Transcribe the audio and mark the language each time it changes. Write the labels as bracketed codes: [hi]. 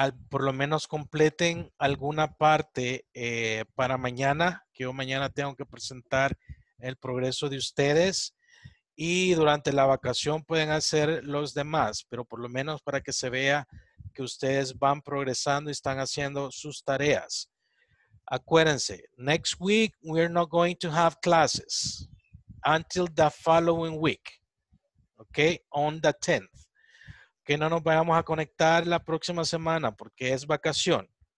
[es] por lo menos completen alguna parte para mañana, que yo mañana tengo que presentar el progreso de ustedes. Y durante la vacación pueden hacer los demás, pero por lo menos para que se vea que ustedes van progresando y están haciendo sus tareas. Acuérdense, [en] next week we're not going to have classes until the following week. Okay, on the 10th. [es] Que no nos vayamos a conectar la próxima semana porque es vacación.